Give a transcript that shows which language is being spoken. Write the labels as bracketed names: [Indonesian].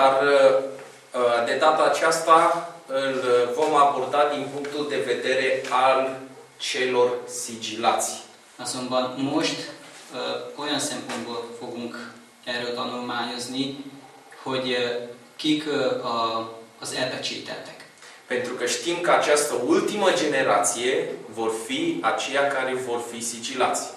[Romanian] Dar de data aceasta îl vom aborda din punctul de vedere al celor sigilați. [Hungarian] Azonban most olyan szempontból fogunk erről tanulmányozni, hogy kik az elpecsételtek. [Romanian] Pentru că știm că această ultimă generație vor fi aceia care vor fi sigilați.